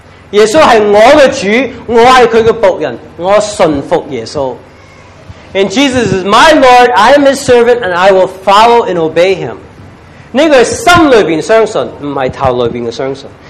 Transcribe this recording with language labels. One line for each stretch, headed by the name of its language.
Cantonese: 耶稣是我的主，我是他的仆人，我信服耶稣。
English: And Jesus is my Lord. I am his servant and I will follow and obey him.
Cantonese: 那个心里面相信，不是头里面的相信。